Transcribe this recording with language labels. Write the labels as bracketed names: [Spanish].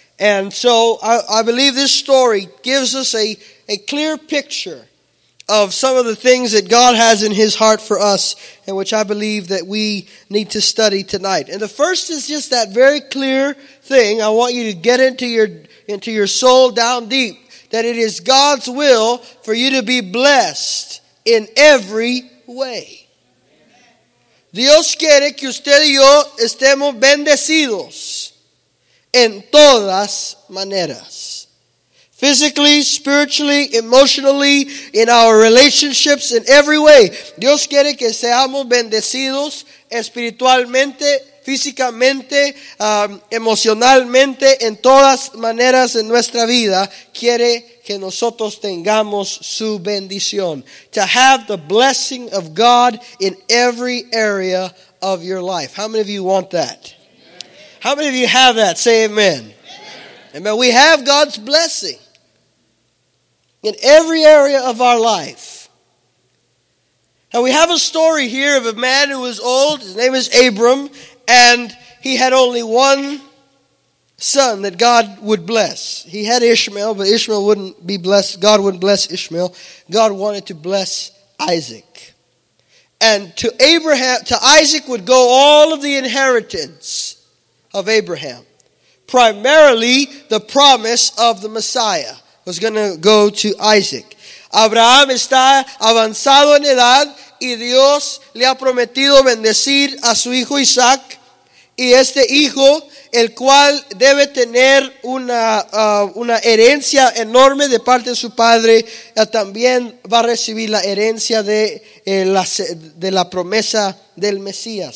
[English] And so I believe this story gives us a clear picture of some of the things that God has in his heart for us, and which I believe that we need to study tonight. And the first is just that very clear thing. I want you to get into your soul down deep, that it is God's will for you to be blessed in every way. [Spanish] Dios quiere que usted y yo estemos bendecidos en todas maneras. [English] Physically, spiritually, emotionally, in our relationships, in every way. [Spanish] Dios quiere que seamos bendecidos espiritualmente, físicamente, emocionalmente, en todas maneras en nuestra vida. Quiere que nosotros tengamos su bendición. [English] To have the blessing of God in every area of your life. How many of you want that? Amen. How many of you have that? Say amen. Amen. Amen. We have God's blessing in every area of our life. And we have a story here of a man who was old. His name is Abram. And he had only one son that God would bless. He had Ishmael, but Ishmael wouldn't be blessed. God wouldn't bless Ishmael. God wanted to bless Isaac. And to Abraham, to Isaac would go all of the inheritance of Abraham. Primarily, the promise of the Messiah was going to go to Isaac. [Spanish] Abraham está avanzado en edad y Dios le ha prometido bendecir a su hijo Isaac. Y este hijo, el cual debe tener una herencia enorme de parte de su padre, también va a recibir la herencia de la promesa del Mesías.